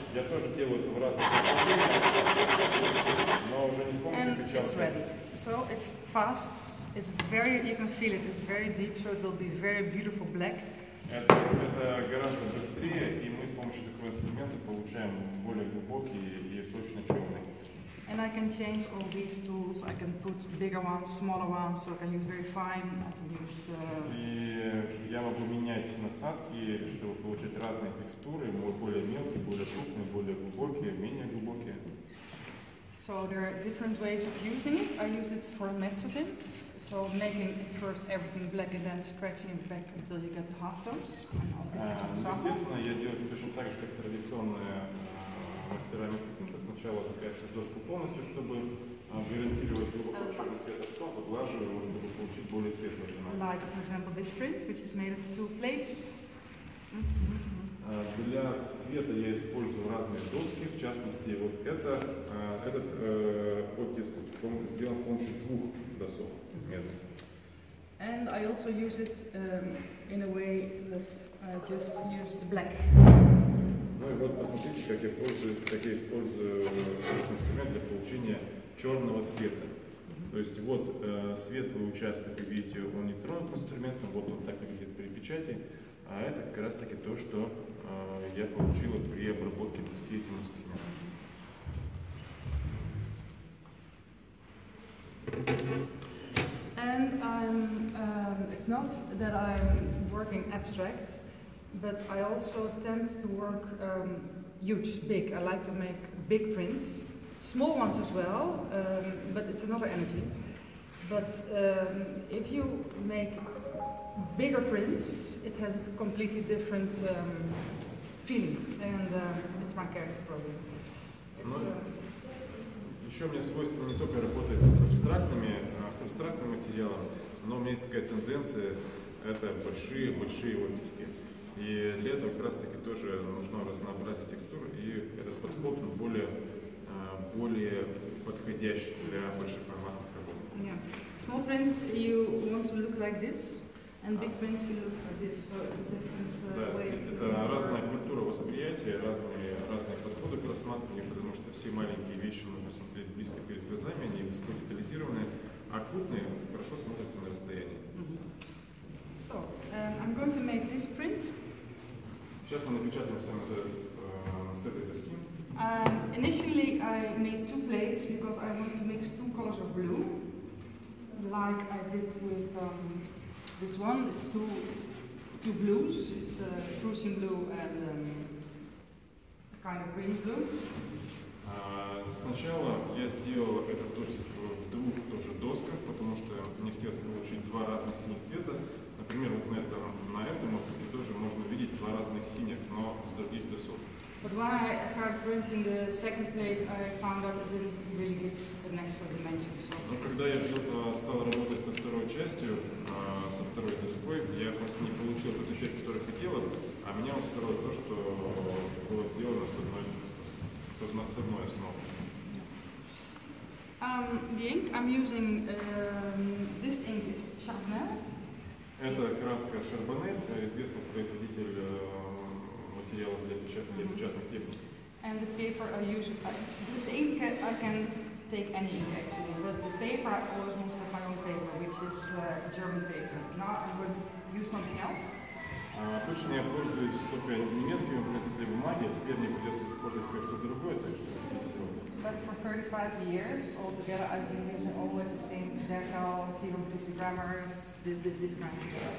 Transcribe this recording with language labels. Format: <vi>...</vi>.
<ru>Я тоже делаю это в разных направлениях, но уже не с помощью печатки.</ru> <en>It's ready. So it's fast. It's very, you can feel it, it's very deep, so it will be very beautiful black.</en> <ru>Это гораздо быстрее, и мы с помощью такого инструмента получаем более глубокий и сочный черный.</ru> <en>And I can change all these tools. I can put bigger ones, smaller ones, so I can use very fine, I can use...</en> <ru>И я могу менять насадки, чтобы получить разные текстуры, более мелкие, более крупные, более глубокие, менее глубокие.</ru> <en>So there are different ways of using it. I use it for metal tint. So making first everything black and then scratching it back until you get the half tones.</en> <ru>Естественно, я делаю это точно так же, как традиционные мастера метал тинта. Сначала закрашиваю доску полностью, чтобы гарантировать глубокий черный цвет, а потом подглаживаю его, чтобы получить более светлый тон.</ru> <en>Like, for example, this print, which is made of two plates.</en> <ru>Для цвета я использую разные доски, в частности, вот это, этот оттиск сделан с помощью двух досок.</ru> <en>And I also use it in a way that I just use the black.</en> <ru>Ну и вот посмотрите, как я использую инструмент для получения черного цвета. То есть вот светлый участок, вы видите, он не тронут инструментом, вот он так выглядит при печати, а это как раз таки то, что я получил при обработке доски этим инструментом.</ru> <en>And it's not that I'm working abstract, but I also tend to work huge, big. I like to make big prints, small ones as well, but it's another energy. But if you make bigger prints, it has a completely different feeling, and it's my character probably.</en> <ru>Еще мне свойственно не только работать с абстрактными, с абстрактным материалом, но у меня есть такая тенденция, это большие оттиски. И для этого как раз таки тоже нужно разнообразие текстур, и этот подход более подходящий для больших форматов работы.</ru> <en>Yeah. Small prints you want to look like this, and big prints you look like this, so it's a different way.</en> <ru>Это разная культура восприятия, разные подходы к рассматриванию, потому что все маленькие вещи нужно смотреть близко перед глазами, они высокодетализированы, а крупные хорошо смотрятся на расстоянии.</ru> <en>So, I'm going to make this print.</en> <ru>Сейчас мы напечатаем сам с этой доски.</ru> <en>Initially I made two plates, because I want to mix two colors of blue, like I did with this one. It's two blues, it's a prussian blue and a kind of green blue.</en> <ru>Сначала я сделал этот оттиск в двух тоже досках, потому что мне хотелось получить два разных синих цвета. Например, вот на этом оттиске тоже можно видеть два разных синих, но с других досок.</ru> <en>But when I started printing the second plate, I found out it didn't really give an extra dimension.</en> <ru>Но когда я стал работать со второй частью, со второй второй доской. Я просто не получил тот эффект, который хотел, а меня устроило то, что было сделано с одной основой.</ru> <en>The ink I'm using, this ink is Charbonnel.</en> <ru>Это краска Charbonnel, известный производитель материалов для печатных, для печатных техник.</ru> <en>And the paper I use, the ink I can take any ink actually, but the paper I always want to have my own paper, which is German paper. Now I would use something else.</en> <ru>Обычно я пользуюсь только немецкими производителями бумаги, а теперь мне придется использовать кое-что другое, так что это другое.</ru> <en>But for 35 years altogether I've been using always the same circle, 50 grammars, this kind of thing.</en>